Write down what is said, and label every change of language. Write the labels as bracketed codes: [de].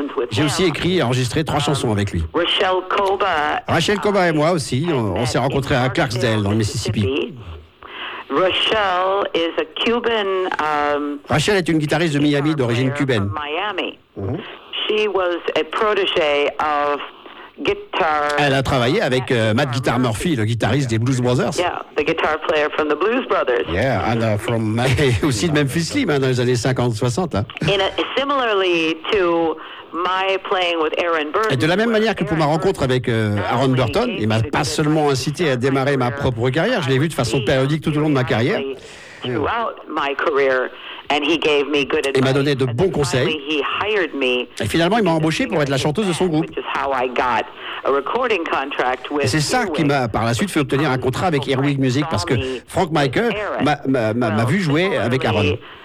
[fr] J'ai aussi écrit et enregistré 3 chansons avec lui. Rachel Koba et moi aussi, on s'est rencontrés à Clarksdale dans le Mississippi. Rachel est une guitariste de Miami d'origine cubaine. [en] She was a protégée of guitar. [fr] Elle a travaillé avec Matt Guitar Murphy, le guitariste des Blues Brothers. [en] Yeah, the guitar player from the Blues Brothers. Yeah, and from [fr] aussi de Memphis Slim dans les années 50-60. [en] In a, similarly to my playing with Aaron Burton. [fr] Et de la même manière que pour ma rencontre avec Aaron Burton, il m'a pas seulement incité à démarrer ma propre carrière, je l'ai vu de façon périodique tout au long de ma carrière. Il m'a donné de bons conseils. Et finalement, il m'a embauché pour être la chanteuse de son groupe. Et c'est ça qui m'a, par la suite, fait obtenir un contrat avec Earwig Music, parce que Frank Michael m'a vu jouer avec Aaron.